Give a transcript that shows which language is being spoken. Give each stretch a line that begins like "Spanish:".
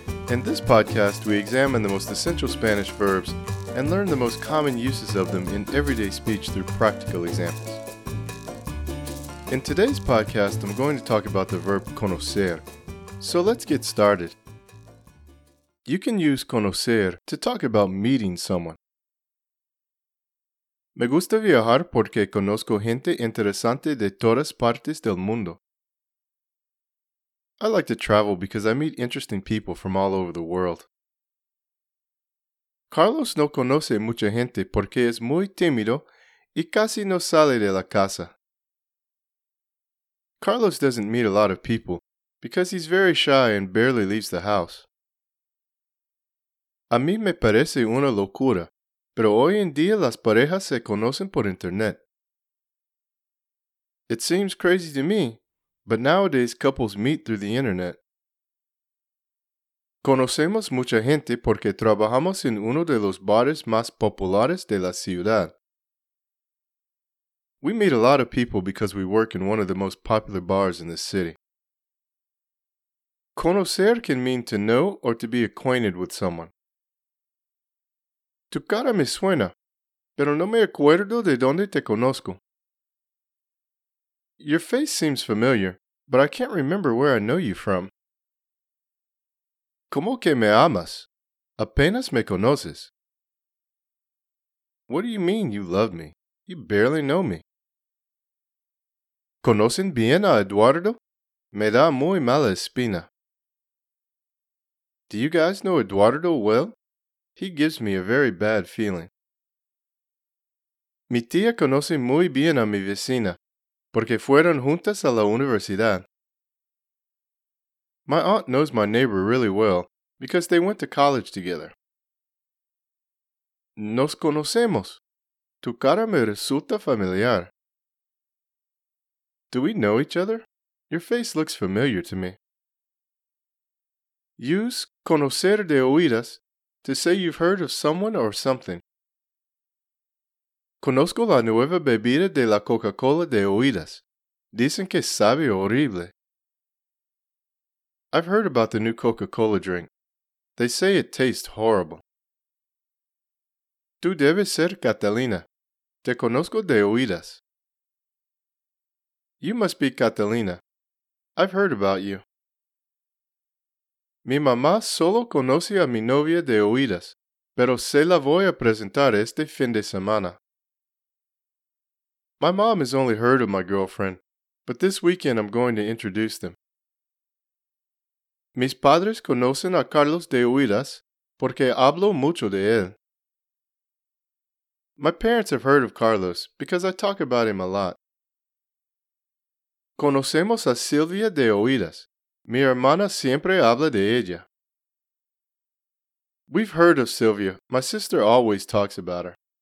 English: In this podcast, we examine the most essential Spanish verbs and learn the most common uses of them in everyday speech through practical examples. In today's podcast, I'm going to talk about the verb conocer. So let's get started. You can use conocer to talk about meeting someone.
Spanish: Me gusta viajar porque conozco gente interesante de todas partes del mundo.
English: I like to travel because I meet interesting people from all over the world.
Spanish: Carlos no conoce mucha gente porque es muy tímido y casi no sale de la casa.
English: Carlos doesn't meet a lot of people because he's very shy and barely leaves the house.
Spanish: A mí me parece una locura, pero hoy en día las parejas se conocen por internet.
English: It seems crazy to me, but nowadays couples meet through the internet.
Spanish: Conocemos mucha gente porque trabajamos en uno de los bares más populares de la ciudad.
English: We meet a lot of people because we work in one of the most popular bars in the city. Conocer can mean to know or to be acquainted with someone.
Spanish: Tu cara me suena, pero no me acuerdo de dónde te conozco.
English: Your face seems familiar, but I can't remember where I know you from.
Spanish: ¿Cómo que me amas? Apenas me conoces.
English: What do you mean you love me? You barely know me.
Spanish: ¿Conocen bien a Eduardo? Me da muy mala espina.
English: Do you guys know Eduardo well? He gives me a very bad feeling.
Spanish: Mi tía conoce muy bien a mi vecina, porque fueron juntas a la universidad.
English: My aunt knows my neighbor really well, because they went to college together.
Spanish: Nos conocemos. Tu cara me resulta familiar.
English: Do we know each other? Your face looks familiar to me. Use conocer de oídas to say you've heard of someone or something.
Spanish: Conozco la nueva bebida de la Coca-Cola de oídas. Dicen que sabe horrible.
English: I've heard about the new Coca-Cola drink. They say it tastes horrible.
Spanish: Tú debes ser Catalina. Te conozco de oídas.
English: You must be Catalina. I've heard about you.
Spanish: Mi mamá solo conoce a mi novia de oídas, pero se la voy a presentar este fin de semana.
English: My mom has only heard of my girlfriend, but this weekend I'm going to introduce them.
Spanish: Mis padres conocen a Carlos de oídas porque hablo mucho de él.
English: My parents have heard of Carlos because I talk about him a lot.
Spanish: Conocemos a Silvia de oídas. Mi hermana siempre habla de ella.
English: We've heard of Silvia. My sister always talks about her.